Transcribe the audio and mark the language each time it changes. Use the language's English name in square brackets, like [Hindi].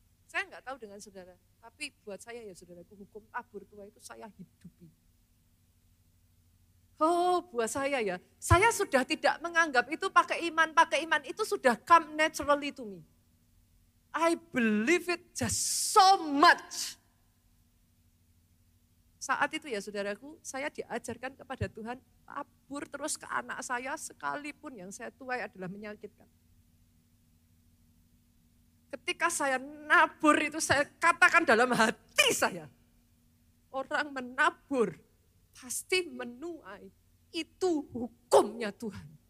[Indonesian] Saya enggak tahu dengan saudara, tapi buat saya ya saudaraku, hukum tabur tuai itu saya hidupi. Oh, buat saya ya, saya sudah tidak menganggap itu pakai iman itu sudah [English] come naturally to me. I believe it just so much. [Indonesian] Saat itu ya saudaraku, saya diajarkan kepada Tuhan, tabur terus ke anak saya sekalipun yang saya tuai adalah menyakitkan. Ketika saya nabur itu saya katakan dalam hati saya, orang menabur pasti menuai, itu hukumnya Tuhan.